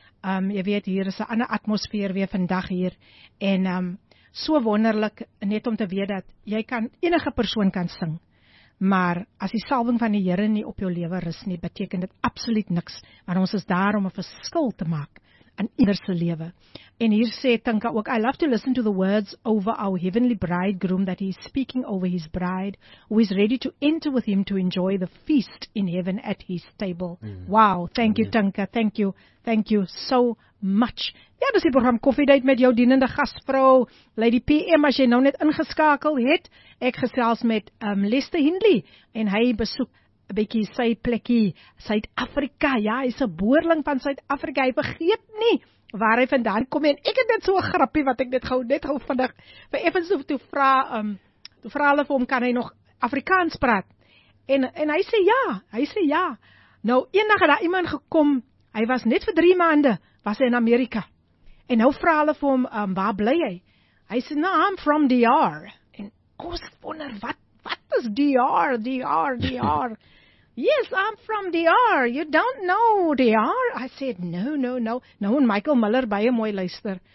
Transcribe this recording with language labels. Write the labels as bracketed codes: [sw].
[af] Jy weet, hier is 'n ander atmosfeer weer vandag hier. En so wonderlik net om te weet dat jy kan, enige persoon kan sing. Maar as die salwing van die Here nie op jou lewe rus nie, beteken dit absoluut niks. Want ons is daar om 'n verskil te maak in ieder se lewe. En hier sê Tinka ook, [en] I love to listen to the words over our heavenly bridegroom that he is speaking over his bride, who is ready to enter with him to enjoy the feast in heaven at his table. Mm. Wow, thank you Tinka, thank you. Thank you so much. [af] Ja, dis die program Coffee Date met jou dienende gasvrou, Lady PM, as jy nou net ingeskakel het. Ek gesels met Lester Hindley en hy besoek 'n bietjie sy plekkie, Suid-Afrika. Ja, hy's 'n boerling van Suid-Afrika. Hy vergeet nie waar hy vandaan kom en ek het net so 'n grappie wat ek net gou vandag vir Evans hoef toe vra, toe vra hulle vir hom, kan hy nog Afrikaans praat? En hy sê ja, hy sê ja. Nou eendag het daar iemand gekom. Hy was net vir 3 maande, was hy in Amerika. En nou vra hulle vir hom, waar bly hy? Hy sê, [en] no, I'm from DR. [af] En ons wonder, wat is DR, DR, DR? [en] Yes, I'm from DR. You don't know DR? I said, no. [af] Nou, en Michael Miller baie mooi luister.